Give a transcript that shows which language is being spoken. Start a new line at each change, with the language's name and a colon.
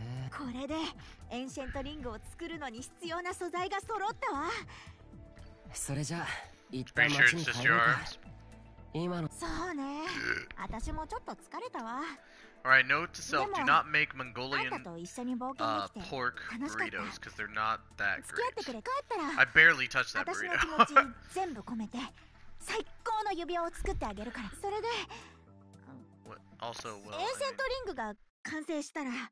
Japanese: これでエンシェントリングを作るのに必要な素材が揃ったわ。それじゃ、一旦街に帰ろうか。今の… そうね。私もちょっと疲れたわ。
English: Alright, note to self, do not make Mongolian pork burritos because they're not that great. I barely touched that burrito.
Japanese: 私の気持ち全部込めて。最高の指輪を作ってあげるから。それで、エンシェントリングが完成したら、